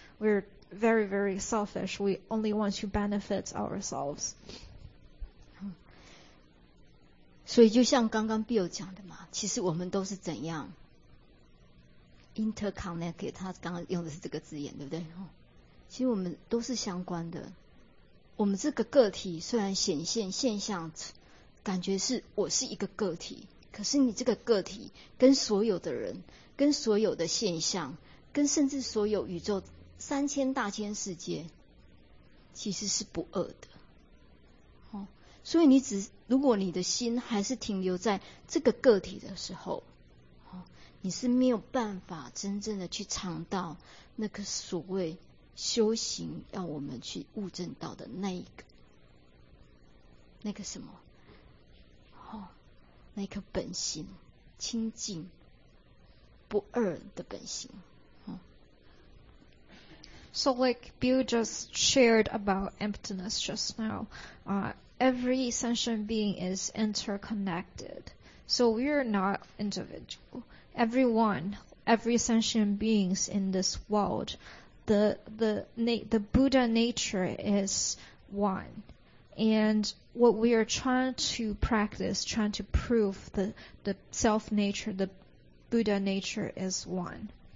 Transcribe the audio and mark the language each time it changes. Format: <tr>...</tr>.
<en>We're very very selfish. We only want to benefit ourselves.</en> <zh>所以就像刚刚 Bill 讲的嘛，其实我们都是怎样 interconnected。他刚刚用的是这个字眼，对不对？其实我们都是相关的。我们这个个体虽然显现现象感觉是我是一个个体，可是你这个个体跟所有的人跟所有的现象跟甚至所有宇宙三千大千世界其实是不二的，所以你只如果你的心还是停留在这个个体的时候，你是没有办法真正的去尝到那个所谓修行要我们去悟证到的那个什么那颗本心清净不二的本心</zh> <en>So like Bill just shared about emptiness just now, every sentient being is interconnected, so we are not individual. Everyone, every sentient beings in this worldThe Buddha nature is one, and what we are trying to practice, trying to prove the self nature, the Buddha nature is one.</en>